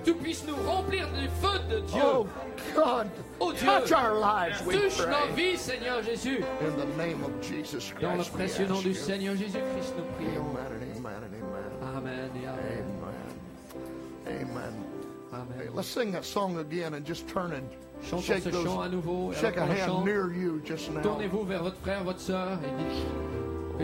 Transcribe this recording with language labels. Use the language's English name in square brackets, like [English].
[French] Tu puisses nous remplir du feu de Dieu. [English] Oh God, [French] oh Dieu, [English] touch our lives, we [French] touche [English] pray. [French] Nos vies, Seigneur Jésus. [English] In the name of Jesus Christ, [French] dans le précieux nom du [English] you. [French] Seigneur Jésus. [English] Amen and amen and amen. [French] Amen, amen. Amen. Amen. [English] Hey, let's sing that song again and just turn and [French] chantons [English] shake [French] ce [English] those, [French] chant à nouveau, [English] shake a hand [French] chant, [English] near you just now. [French] Tournez-vous vers votre frère, votre sœur et dites que